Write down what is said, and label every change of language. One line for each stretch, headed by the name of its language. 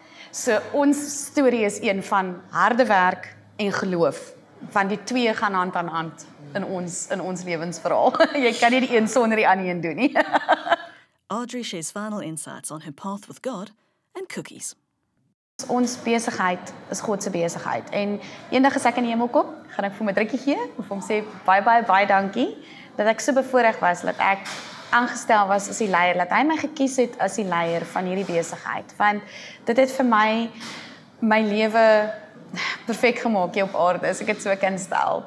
Afrikaans: So, ons story is een van harde werk en geloof, want die twee gaan hand aan hand in ons levensverhaal. Jy kan nie die een sonder die ander een doen nie.
English: Audrey shares final insights on her path with God and cookies.
Afrikaans: Ons besigheid is God se besigheid en eendag as ek in die hemel kom, gaan ek vir my drukkie gee of hom sê baie baie baie dankie dat ek so bevoorreg was dat ek aangestel was as die leier, dat hy my gekies het as die leier van hierdie besigheid, want dit het vir my lewe perfek gemaak hier op aarde, as ek het so kan stel.